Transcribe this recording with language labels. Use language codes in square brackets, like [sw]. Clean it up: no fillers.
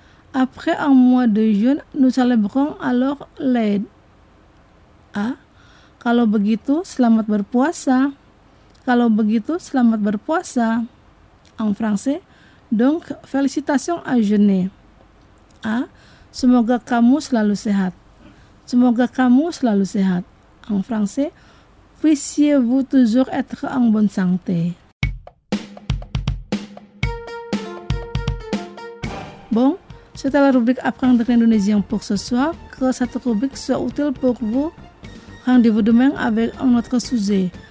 [fr] Après un mois de jeûne, nous célébrons alors l'Eid. [id] A. Kalau begitu, selamat berpuasa. Kalau begitu, selamat berpuasa. [fr] En français. Donc, félicitations à jeûner. A. [id] Semoga kamu selalu sehat. Semoga kamu selalu sehat. [fr] En français. Puissiez-vous toujours être en bonne santé. Bon, c'était la rubrique Apprendre l'Indonésien pour ce soir. Que cette rubrique soit utile pour vous. Rendez-vous demain avec un autre sujet.